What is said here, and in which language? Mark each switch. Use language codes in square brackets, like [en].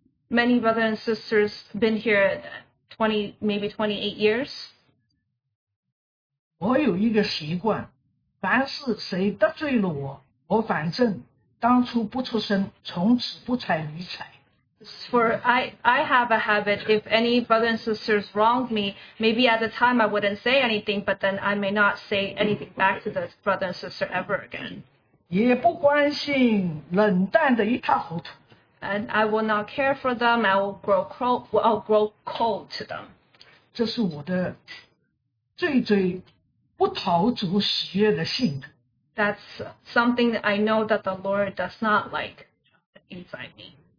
[en] Many brothers and sisters been here 28 years. [zh] 我有一个习惯，凡是谁得罪了我，我反正当初不出声，从此不睬理睬。 [en] For I have a habit, if any brothers and sisters wronged me, maybe at the time I wouldn't say anything, but then I may not say anything back to the brother and sister ever again. [zh] 也不关心，冷淡的一塌糊涂。 [en] And I will not care for them. I will grow cold to them. [zh] 这是我的最最不讨主喜悦的性格。 [en] That's something that I know that the Lord does not like inside me.